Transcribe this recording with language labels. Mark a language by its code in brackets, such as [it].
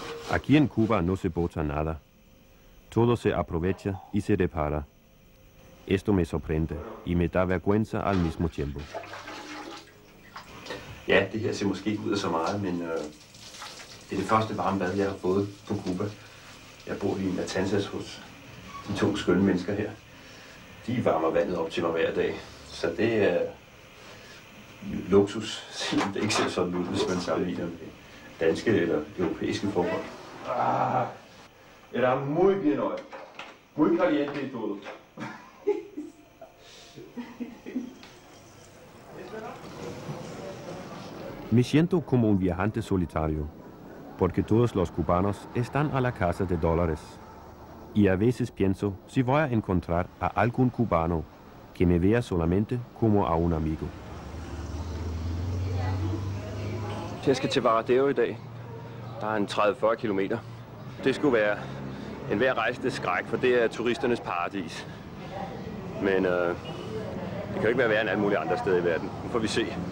[es] Aquí en Cuba no se bota nada. Todo se aprovecha y se repara. Esto me sorprende y me da vergüenza al mismo tiempo. [da] Ja, det her ser måske ikke ud af så meget, men Det er det første varme bad, jeg har fået på Cuba. Jeg bor i Matanzas hos de to skønne mennesker her. De varmer vandet op til mig hver dag. Så det er luksus, selvom det ikke ser sådan ud, hvis man sammenligner med danske eller europæiske forhold. Jeg er meget [es] bien hoy. Muy caliente todo. Me siento como un viajante solitario, porque todos los cubanos están a la casa de dólares. Y a veces pienso si voy a encontrar a algún cubano que me vea solamente como a un amigo. [da] Jeg skal til Varadero i dag. Der er en 30-40 kilometer. Det skulle være en hver rejsende skræk, for det er turisternes paradis. Men det kan jo ikke være værre end alle mulige andre steder i verden. Nu får vi se.